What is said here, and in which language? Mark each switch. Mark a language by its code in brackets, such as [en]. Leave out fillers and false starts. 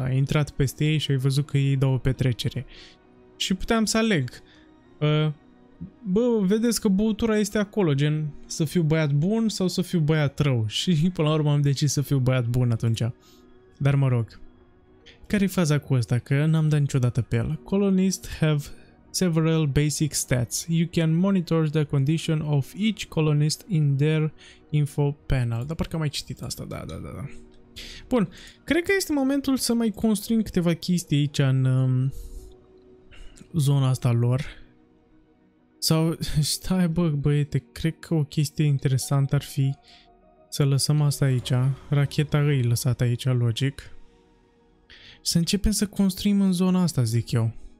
[ro] Ai intrat peste ei și ai văzut că ei dau o petrecere. Și puteam să aleg. Bă, vedeți că băutura este acolo, gen să fiu băiat bun sau să fiu băiat rău. Și până la urmă am decis să fiu băiat bun atunci. Dar mă rog. Care-i faza cu ăsta? Că n-am dat niciodată pe el. [en] Colonists have several basic stats. You can monitor the condition of each colonist in their info panel. [ro] Dar parcă am mai citit asta, da. Bun, cred că este momentul să mai construim câteva chestii aici în zona asta lor. Sau, stai bă, băiete, cred că o chestie interesantă ar fi să lăsăm asta aici. Racheta îi lăsată aici, logic. Să începem să construim în zona asta, zic eu.